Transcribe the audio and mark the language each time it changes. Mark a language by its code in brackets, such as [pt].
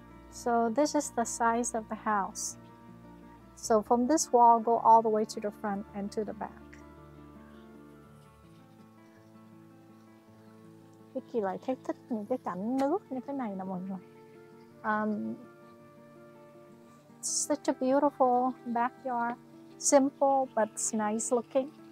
[en] So this is the size of the house. So from this wall, go all the way to the front and to the back. [vi] Vicky lại thích những cái cảnh nước như thế này nè mọi người. [en] Such a beautiful backyard, simple but nice looking.